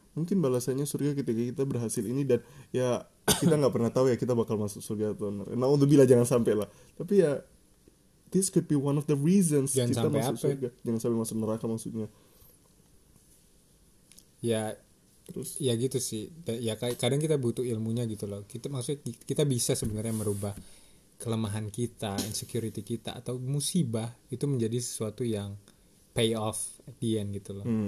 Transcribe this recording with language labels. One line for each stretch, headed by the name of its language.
Indonesian: Mungkin balasannya surga ketika kita berhasil ini, dan ya kita gak pernah tahu ya kita bakal masuk surga atau enggak. Nah, untuk bila jangan sampai lah. Tapi ya,
English: this could be one of the reasons
Indonesian: jangan kita masuk apa? Surga. Jangan sampai masuk neraka maksudnya. Ya, terus ya gitu sih. Ya kadang kita butuh ilmunya gitu loh. Kita maksudnya kita bisa sebenarnya merubah kelemahan kita, insecurity kita, atau musibah itu menjadi sesuatu yang
English: pay off at the end
Indonesian: gitu loh.